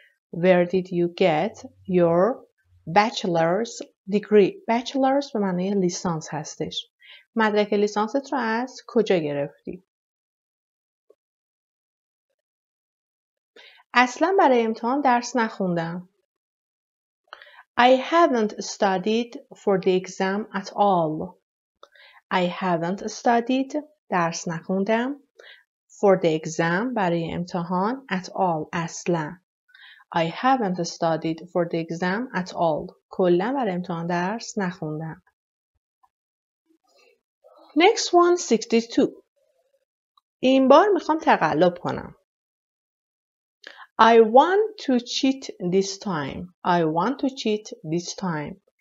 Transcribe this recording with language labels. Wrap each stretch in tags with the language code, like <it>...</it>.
<en>Where did you get your bachelor's degree?</en> <fa>Bachelor's به معنی لیسانس هستش. مدرک لیسانست رو از کجا گرفتی؟ اصلا برای امتحان درس نخوندم.</fa> <en>I haven't studied for the exam at all. I haven't studied, درس نخوندم. For the exam, برای امتحان, at all, اصلا. I haven't studied for the exam at all.</en> <fa>کلن برای امتحان درس نخوندم. Next one, 62. این بار میخوام تقلب کنم.</fa> <en>I want to cheat this time. I want to cheat this time.</en>